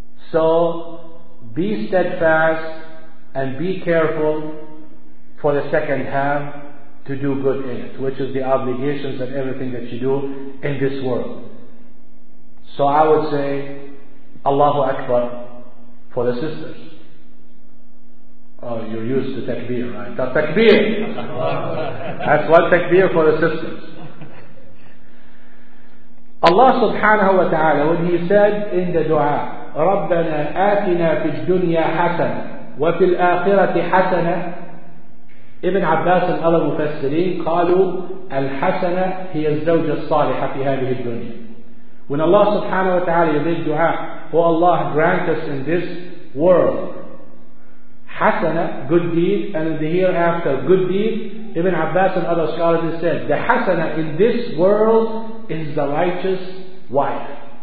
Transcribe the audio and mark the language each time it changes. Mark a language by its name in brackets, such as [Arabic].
[English] So be steadfast and be careful for the second half to do good in it, which is the obligations and everything that you do in this world. So I would say Allahu Akbar for the sisters. Oh, you're used to takbir, right? Takbir! That's one takbir for the sisters. Allah subhanahu wa ta'ala, when He said in the dua, [Arabic] رَبَّنَا آتِنَا فِي الدُّنْيَا حَسَنَا وَفِي الْآخِرَةِ حَسَنَا, [English] Ibn Abbas and other Mufassirin [Arabic] قالوا الْحَسَنَا هِيَ الزَّوْجَ الصَّالِحَ فِي هَذِهِ الدُّنْيَا. [English] When Allah subhanahu wa ta'ala made dua, O Allah, grant us in this world [Arabic] حَسَنَا, [English] good deed, and in the hereafter good deed, Ibn Abbas and other scholars said, the hasana in this world is the righteous wife.